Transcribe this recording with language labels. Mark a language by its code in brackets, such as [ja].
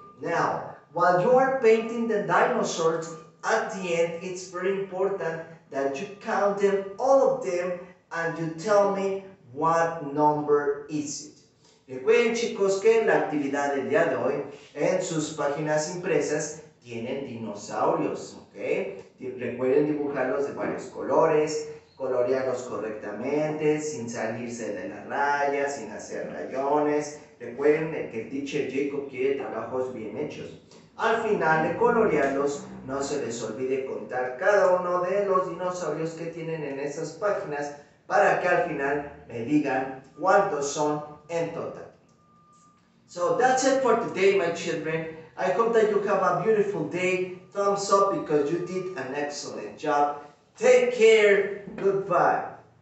[en] Now, while you are painting the dinosaurs, at the end, it's very important that you count them, all of them, and you tell me what number is it. [es] Recuerden, chicos, que en la actividad del día de hoy, en sus páginas impresas, tienen dinosaurios, okay? Recuerden dibujarlos de varios colores, colorearlos correctamente, sin salirse de la raya, sin hacer rayones. Recuerden que el teacher Jacob quiere trabajos bien hechos. Al final de colorearlos, no se les olvide contar cada uno de los dinosaurios que tienen en esas páginas para que al final me digan cuántos son en total. [en] So that's it for today, my children. I hope that you have a beautiful day. Thumbs up because you did an excellent job. Take care. Goodbye.